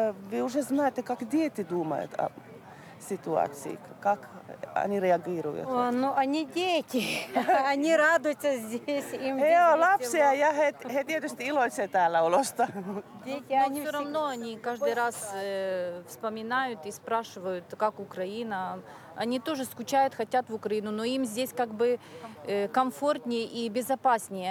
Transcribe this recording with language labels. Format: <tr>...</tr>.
<ru>Vi уже знаете, как дети думают о ситуации, как они реагируют? Ну, они дети, они радуются здесь.</ru> <fi>Joo, lapsia, ja he tietysti iloitsevat täällä olosta.</fi> <ru>Но все равно они каждый раз вспоминают и спрашивают, как Украина. Они тоже скучают, хотят в Украину, но им здесь как бы комфортнее и безопаснее.</ru>